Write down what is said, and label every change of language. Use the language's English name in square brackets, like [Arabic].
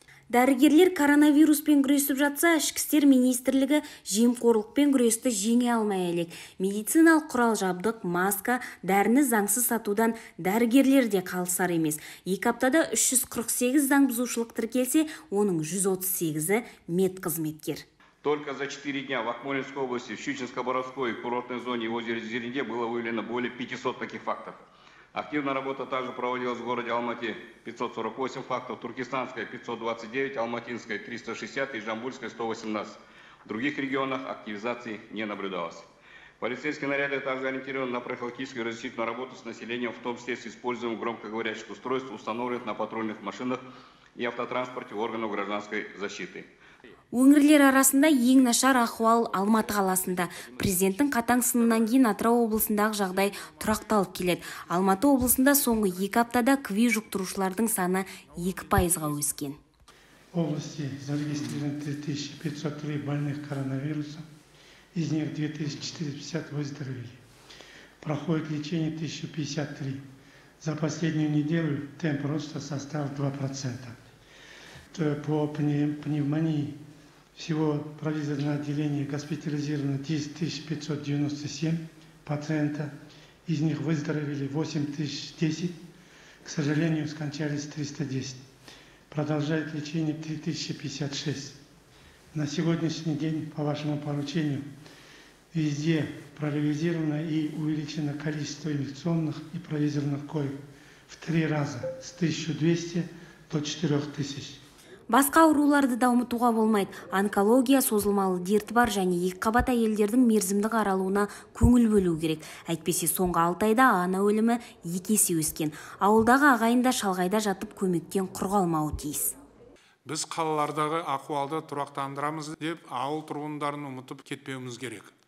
[Kazakh] Дәрігерлер коронавируспен күресіп жатса, ішкі істер министрлігі жемқорлықпен күресті жеңе алмай әлек. Медициналық құрал жабдық, маска, дәріні заңсыз сатудан дәрігерлер де қалысар емес. Екі аптада 348 заң бұзушылық тіркелсе, оның 138-і медқызметкер. [Russian] Только за 4 дня в Акмолинской области, в Щучинско-Боровской курортной зоне и озере Зеленде было выявлено более 500 таких фактов. Активная работа также проводилась в городе Алматы, 548 фактов, Туркестанская 529, Алматинская 360 и Жамбульская 118. В других регионах активизации не наблюдалось. Полицейские наряды также ориентированы на профилактическую и разъяснительную работу с населением, в том числе с использованием громкоговорящих устройств, установленных на патрульных машинах и автотранспорте органов гражданской защиты. [Kazakh] Өңірлер арасында ең нашар ахуал Алматы қаласында. Президенттің қатаң сынынан кейін Атырау облысындағы жағдай тұрақталып келеді. Алматы облысында соңғы екі аптада КВИ жұқтырушылардың саны 2%-ға өскен. [Russian] Области зарегистрирован 3503 больных коронавирусом, из них 2450 выздоровели. Проходит лечение 1053. За последнюю неделю темп роста составил 2%. По пневмонии всего провизорное отделение госпитализировано 10597 пациента, из них выздоровели 8010, к сожалению, скончались 310. Продолжает лечение 3056. На сегодняшний день, по вашему поручению, везде проревизировано и увеличено количество инфекционных и провизорных коек в 3 раза, с 1200 до 4000. [Kazakh] Басқа ауруларды да ұмытуға болмайды. Онкология созылмалы дерті бар және екіқабат әйелдердің мерзімдік аралуына көңіл бөлу керек. Әйтпесе соңғы 6 айда ана өлімі 2 есе өскен. Ауылдағы ағайын да шалғайда жатып көмектен құр қалмауы тиіс. Біз қалалардағы ахуалды тұрақтандырамыз деп ауыл тұрғындарын ұмытып кетпеуіміз керек.